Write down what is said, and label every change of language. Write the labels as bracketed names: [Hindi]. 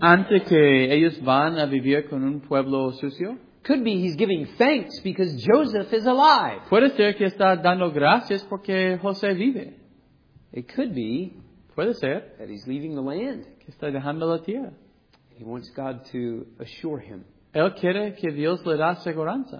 [Spanish] Antes que ellos van a vivir con un pueblo sucio. [English] Could be he's giving thanks because Joseph is alive. [Spanish] Puede ser que está dando gracias porque José vive. [English] It could be. [Spanish] Puede ser. [English] That he's leaving the land. [Spanish] Que está dejando la tierra. [English] He wants God to assure him. [Spanish] Él quiere que Dios le da seguridad.